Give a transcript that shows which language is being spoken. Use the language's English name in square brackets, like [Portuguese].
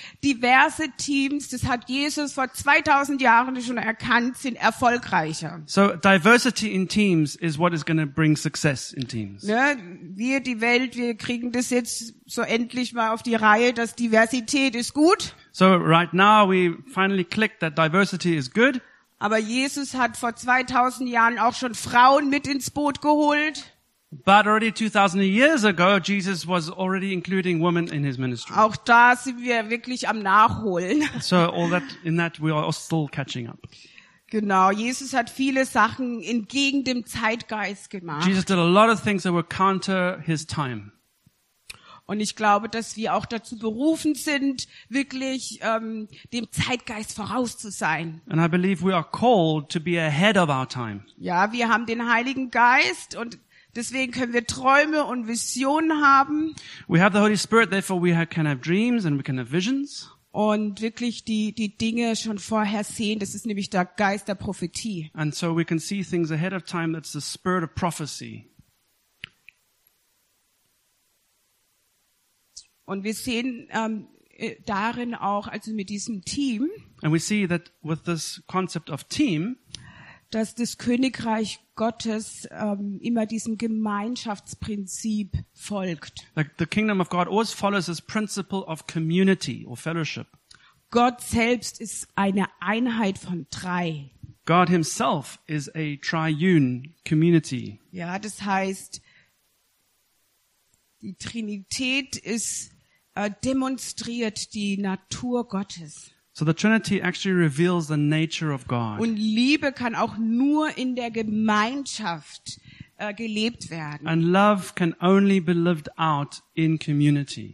[German] Diverse Teams, das hat Jesus vor 2000 Jahren schon erkannt, sind erfolgreicher. [English] So diversity in teams is what is going to bring success in teams. [German] Ne, wir die Welt, wir kriegen das jetzt so endlich mal auf die Reihe, dass Diversität ist gut. [English] So right now we finally clicked that diversity is good. [German] Aber Jesus hat vor 2000 Jahren auch schon Frauen mit ins Boot geholt. [English] But already 2000 years ago Jesus was already including women in his ministry. [German] Auch da sind wir wirklich am Nachholen. [English] So all that in that we are still catching up. [German] Genau, Jesus hat viele Sachen entgegen dem Zeitgeist gemacht. [English] Jesus did a lot of things that were counter his time. [German] Und ich glaube, dass wir auch dazu berufen sind, wirklich dem Zeitgeist voraus zu sein. [English] And I believe we are called to be ahead of our time. [German] Ja, wir haben den Heiligen Geist und deswegen können wir Träume und Visionen haben. [English] We have the Holy Spirit, therefore we can have dreams and we can have visions. [German] Und wirklich die Dinge schon vorher sehen, das ist nämlich der Geist der Prophetie. [English] And so we can see things ahead of time, that's the spirit of prophecy. [German] Und wir sehen darin auch, also mit diesem Team, [English] and we see that with this concept of team, [German] dass das Königreich Gottes immer diesem Gemeinschaftsprinzip folgt. [English] The kingdom of God always follows this principle of community or fellowship. [German] Gott selbst ist eine Einheit von 3. [English] God himself is a triune community. [German] Ja, das heißt, die Trinität ist demonstriert die Natur Gottes. [English] So the Trinity actually reveals the nature of God. [German] Und Liebe kann auch nur in der Gemeinschaft gelebt werden. [English] And love can only be lived out in community.